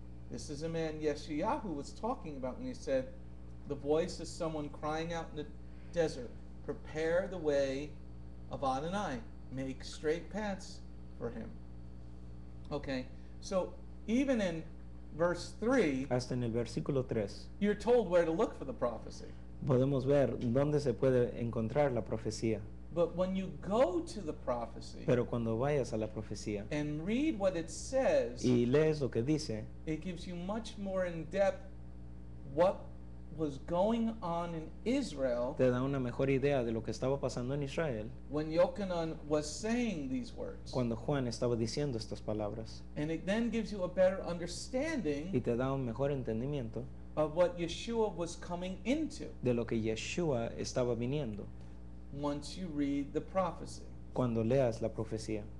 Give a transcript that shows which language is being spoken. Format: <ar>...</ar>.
<en>This is a man Yeshayahu was talking about when he said, "The voice is someone crying out in the desert, prepare the way of Adonai, make straight paths for him." Okay, so even in verse 3,</en> <es>hasta en el versículo 3,</es> <en>you're told where to look for the prophecy.</en> <es>Podemos ver dónde se puede encontrar la profecía.</es> <en>But when you go to the prophecy,</en> <es>pero cuando vayas a la profecía,</es> <en>and read what it says,</en> <es>y lees lo que dice,</es> <en>it gives you much more in depth what was going on in Israel.</en> <es>Te da una mejor idea de lo que estaba pasando en Israel.</es> <en>When Yochanan was saying these words.</en> <es>Cuando Juan estaba diciendo estas palabras.</es> <en>And it then gives you a better understanding.</en> <es>Y te da un mejor entendimiento.</es> <en>Of what Yeshua was coming into.</en> <es>De lo que Yeshua estaba viniendo.</es> <en>Once you read the prophecy.</en> <es>Cuando leas la profecía.</es>